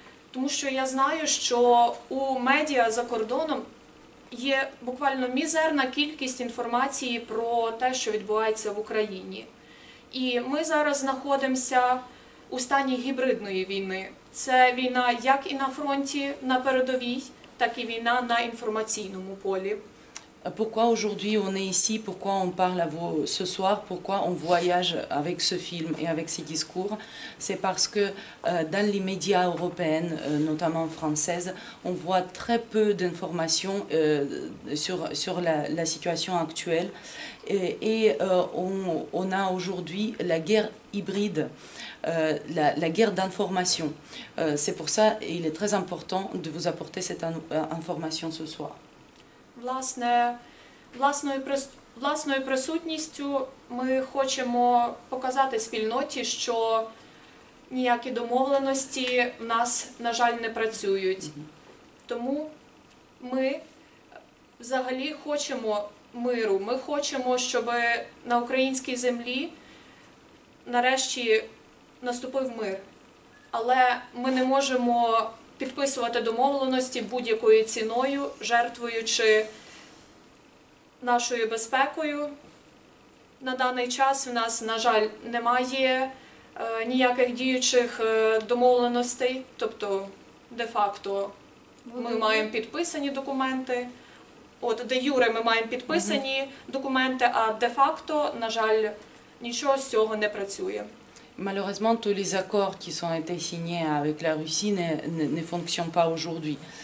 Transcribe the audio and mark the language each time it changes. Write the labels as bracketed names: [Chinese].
[Ukrainian] Тому що я знаю, що у медіа за кордоном є буквально мізерна кількість інформації про те, що відбувається в Україні. І ми зараз знаходимося у стані гібридної війни. Це війна як і на фронті, на передовій, так і війна на інформаційному полі. [French] Pourquoi aujourd'hui on est ici, pourquoi on parle à vous ce soir, pourquoi on voyage avec ce film et avec ces discours? C'est parce que dans les médias européens, notamment françaises, on voit très peu d'informations sur la situation actuelle. Et on a aujourd'hui la guerre hybride, la guerre d'information. C'est pour ça qu'il est très important de vous apporter cette information ce soir. [Ukrainian] Власне, власною присутністю ми хочемо показати спільноті, що ніякі домовленості в нас, на жаль, не працюють. Тому ми взагалі хочемо миру, ми хочемо, щоб на українській землі нарешті наступив мир. Але ми не можемо підписувати домовленості будь-якою ціною, жертвуючи нашою безпекою. На даний час у нас, на жаль, немає ніяких діючих домовленостей, тобто, де-факто, ми маємо підписані документи. От де-юре ми маємо підписані документи, а де-факто, на жаль, нічого з цього не працює. [French] Malheureusement, tous les accords qui ont été signés avec la Russie ne fonctionnent pas aujourd'hui.